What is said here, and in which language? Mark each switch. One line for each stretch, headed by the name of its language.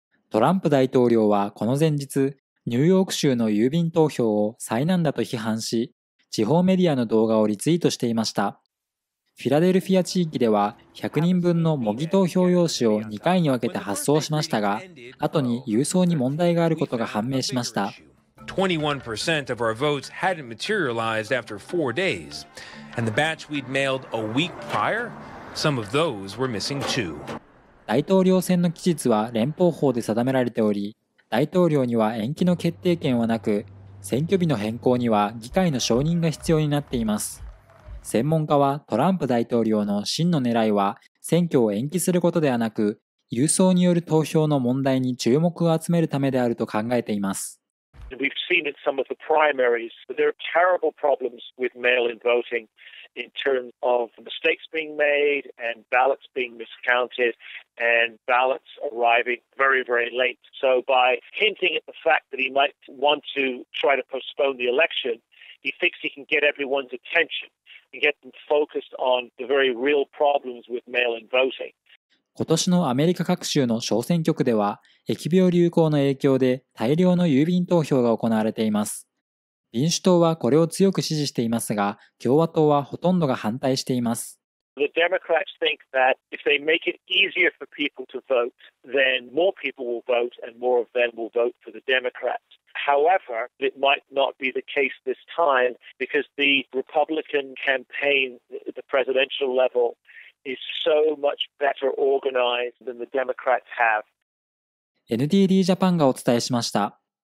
Japanese: トランプ大統領はこの前日、ニューヨーク州の郵便投票を災難だと批判し、地方メディアの動画をリツイートしていました。フィラデルフィア地域では100人分の模擬投票用紙を2回に分けて発送しましたが、後に郵送に問題があることが判明しました。
English: 21% of our votes hadn't materialized after 4 days, and the batch we'd mailed a week prior, some of those were missing too.
Japanese: 大統領選の期日は連邦法で定められており、大統領には延期の決定権はなく、選挙日の変更には議会の承認が必要になっています。専門家はトランプ大統領の真の狙いは選挙を延期することではなく、郵送による投票の問題に注目を集めるためであると考えています。
English: We've seen in some of the primaries, there are terrible problems with mail-in voting in terms of mistakes being made and ballots being miscounted and ballots arriving very, very late. So by hinting at the fact that he might want to try to postpone the election, he thinks he can get everyone's attention and get them focused on the very real problems with mail-in voting.
Japanese: 今年のアメリカ各州の小選挙区では、疫病流行の影響で大量の郵便投票が行われています。民主党はこれを強く支持していますが、共和党はほとんどが反対しています。
English: The Democrats think that if they make it easier for people to vote, then more people will vote and more of them will vote for the Democrats. However, it might not be the case this time because the Republican campaign at the presidential level.
Japanese: NTD ジャパンがお伝えしました。